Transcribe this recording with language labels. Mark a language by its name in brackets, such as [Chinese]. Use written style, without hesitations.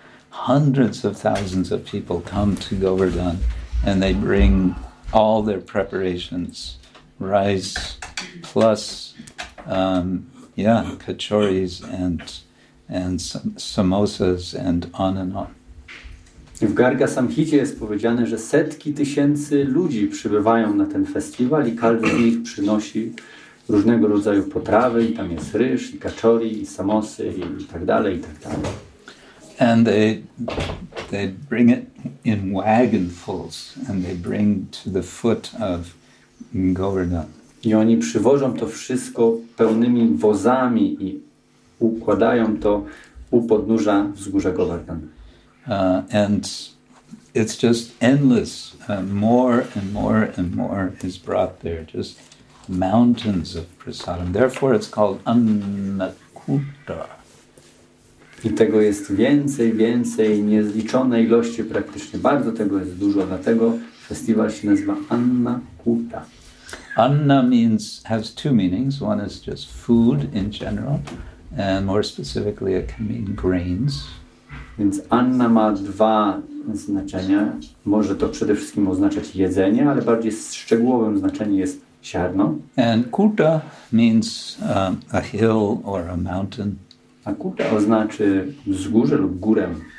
[English] Hundreds of thousands of people come to Govardhan and they bring all their preparations, rice plus kachoris and samosas and on and on. [Polish] W Garga Samhicie jest powiedziane, że setki tysięcy ludzi przybywają na ten festiwal i każdy z nich przynosi różnego rodzaju potrawy i tam jest ryż, i kaczori, i samosy, i tak dalej, i tak dalej. [English] And they bring it in wagonfuls and they bring to the foot of Govardhan. [Polish] I oni przywożą to wszystko pełnymi wozami i układają to u podnóża wzgórza Govardhan. [English] And it's just endless. More and more and more is brought there. Just mountains of prasadam. Therefore it's called Annakuta. [Polish] I tego jest więcej, więcej, niezliczone ilości praktycznie. Bardzo tego jest dużo. Dlatego festiwal się nazywa Annakuta. [English] Anna means, has two meanings. One is just food in general. And more specifically it can mean grains. [Polish] Więc Anna ma dwa znaczenia. Może to przede wszystkim oznaczać jedzenie, ale bardziej szczegółowym znaczeniem jest siarno. [English] And Kuta means a hill or a mountain. [Polish] A Kuta oznacza wzgórze lub górę.